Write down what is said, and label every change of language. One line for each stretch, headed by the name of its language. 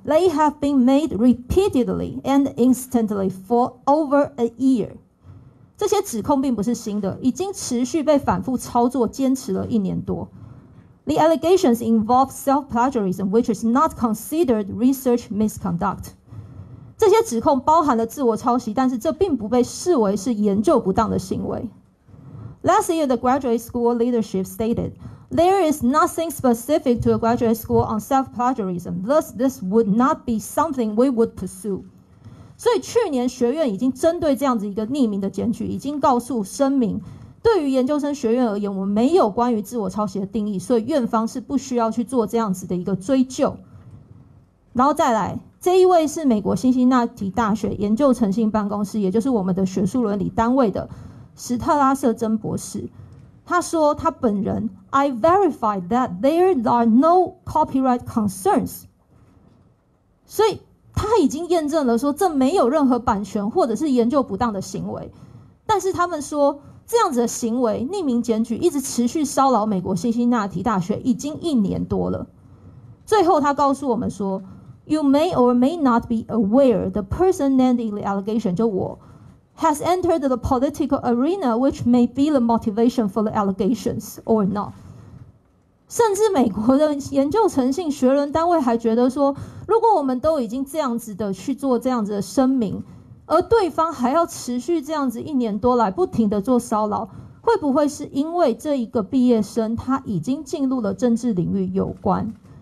English: They have been made repeatedly and instantly for over a year.
Chinese: 这些指控并不是新的，已经持续被反复操作，坚持了一年多。
English: The allegations involve self-plagiarism, which is not considered research misconduct.
Chinese: 这些指控包含了自我抄袭，但是这并不被视为是研究不当的行为。
English: Last year, the graduate school leadership stated, there is nothing specific to a graduate school on self-plagiarism, thus this would not be something we would pursue.
Chinese: 所以去年学院已经针对这样子一个匿名的检举，已经告诉声明，对于研究生学院而言，我们没有关于自我抄袭的定义，所以院方是不需要去做这样子的一个追究。然后再来，这一位是美国辛辛那提大学研究诚信办公室，也就是我们的学术伦理单位的史特拉瑟珍博士，他说他本人
English: I verified that there are no copyright concerns，
Chinese: 所以他已经验证了说这没有任何版权或者是研究不当的行为。但是他们说这样子的行为匿名检举一直持续骚扰美国辛辛那提大学已经一年多了。最后他告诉我们说
English: You may or may not be aware the person landing the allegation
Chinese: 就我
English: has entered the political arena which may be the motivation for the allegations or not.
Chinese: 甚至美国的研究诚信学人单位还觉得说，如果我们都已经这样子的去做这样子的声明，而对方还要持续这样子一年多来不停的做骚扰，会不会是因为这一个毕业生他已经进入了政治领域有关？